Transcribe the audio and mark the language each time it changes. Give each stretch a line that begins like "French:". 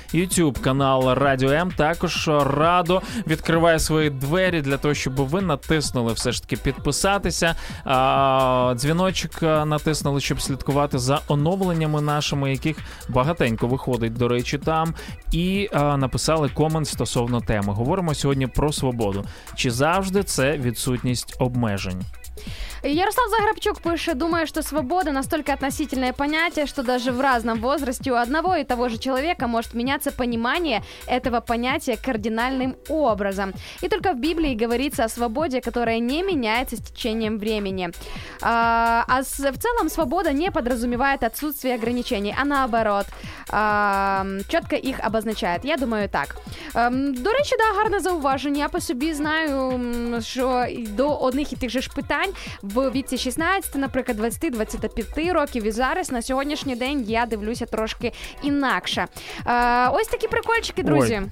Ukrainian: YouTube-канал Радіо М також радо відкриває свої двері для того, щоб ви натиснули все ж таки підписатися. Дзвіночок натиснули, щоб слідкувати за оновленнями нашими, яких багатенько виходить, до речі, там. І написали комент стосовно теми. Говоримо сьогодні про свободу. Чи завжди це відсутність обмежень?
Russian: Ярослав Заграбчук пише: «Думаю, что свобода настолько относительное понятие, что даже в разном возрасте у одного и того же человека может меняться понимание этого понятия кардинальным образом. И только в Библии говорится о свободе, которая не меняется с течением времени. В целом свобода не подразумевает отсутствие ограничений, а наоборот, четко их обозначает. Я думаю так».
Ukrainian: До речі, да, гарне зауваження. Я по собі знаю, що до одних і тих же ж питань в віці 16, наприклад, 20-25 років і зараз, на сьогоднішній день, я дивлюся трошки інакше. Ось такі прикольчики, друзі.